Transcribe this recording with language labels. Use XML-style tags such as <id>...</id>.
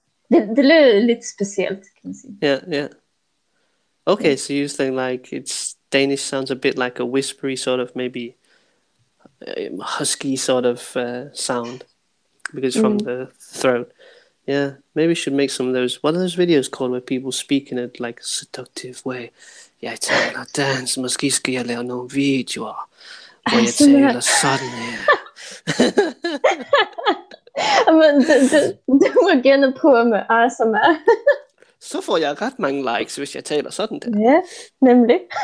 <da>Det lyder lidt specielt, kan man sige. Ja, ja.</da> <en>Okay, so you think like it's Danish sounds a bit like a whispery sort of maybe husky sort of sound because from the throat. Yeah, maybe should make some of those. What are those videos called where people speak in a like seductive way?</en> <da>Jeg taler dansk, måske skal jeg lave nogle videoer, hvor jeg taler sådan her. Men du må gerne prøve med ASMR. Så får jeg ret mange likes, hvis jeg taler sådan der. Ja, nemlig.</da>